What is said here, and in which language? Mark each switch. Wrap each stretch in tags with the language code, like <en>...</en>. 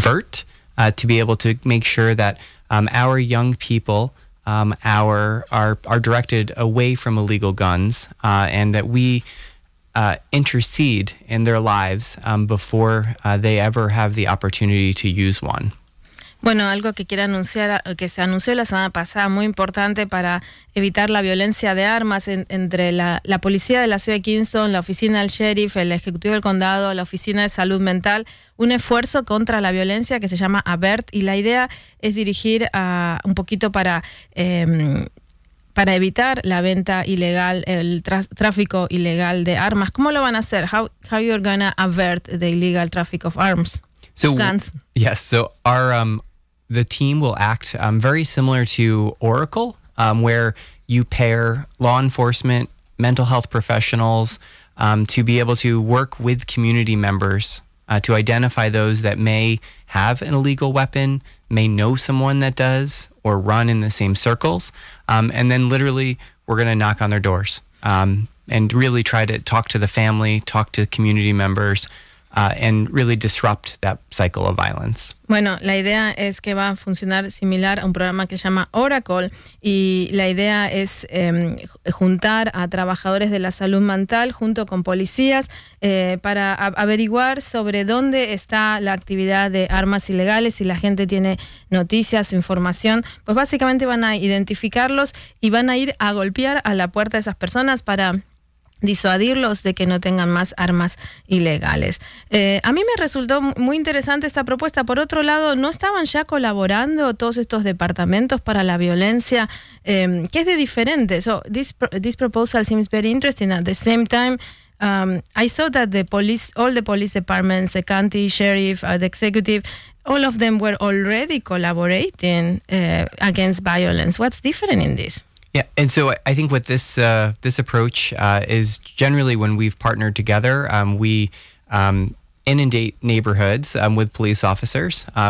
<en>VERT, to be able to make sure that our young people are directed away from illegal guns and that we intercede in their lives before they ever have the opportunity to use one.</en> <es>Bueno, algo que quiero anunciar, que se anunció la semana pasada, muy importante para evitar la violencia de armas entre la policía de la ciudad de Kingston, la oficina del sheriff, el ejecutivo del condado, la oficina de salud mental, un esfuerzo contra la violencia que se llama AVERT, y la idea es dirigir a un poquito para evitar la venta ilegal, el tráfico ilegal de armas. ¿Cómo lo van a hacer?</es> <en>How you're gonna avert the illegal traffic of arms? So our the team will act very similar to Oracle, where you pair law enforcement, mental health professionals to be able to work with community members to identify those that may have an illegal weapon, may know someone that does, or run in the same circles. And then literally we're going to knock on their doors and really try to talk to the family, talk to community members, and really disrupt that cycle of violence.</en> <es>Bueno, la idea es que va a funcionar similar a un programa que se llama Oracle, y la idea es juntar a trabajadores de la salud mental junto con policías para averiguar sobre dónde está la actividad de armas ilegales, si la gente tiene noticias o información. Pues básicamente van a identificarlos y van a ir a golpear a la puerta de esas personas para disuadirlos de que no tengan más armas ilegales. A mí me resultó muy interesante esta propuesta. Por otro lado, ¿no estaban ya colaborando todos estos departamentos para la violencia? ¿Qué es de diferente?</es> <en>So this proposal seems very interesting. At the same time, I thought that all the police departments, the county sheriff, the executive, all of them were already collaborating against violence. What's different in this? Yeah, and so I think what this approach is generally when we've partnered together, we inundate neighborhoods with police officers.</en>